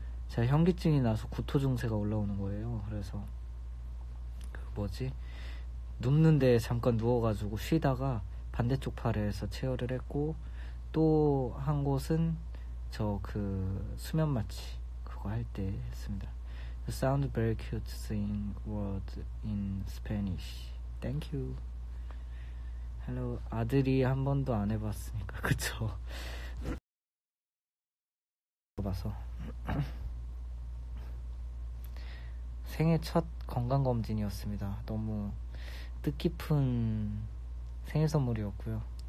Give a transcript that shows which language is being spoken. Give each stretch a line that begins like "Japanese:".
Korean: 제가 현기증이 나서 구토 증세가 올라오는 거예요. 그래서 그 뭐지? 눕는데 잠깐 누워가지고 쉬다가 반대쪽 팔에서 체어를 했고 또 한 곳은 저 그 수면 마취 그거 할 때 했습니다.
English: You sound very cute saying words in Spanish. Thank you. Hello.
Korean: 아들이 한 번도 안 해봤으니까 그쵸? 봐서 생애 첫 건강검진이었습니다. 너무 뜻깊은 생일 선물이었고요.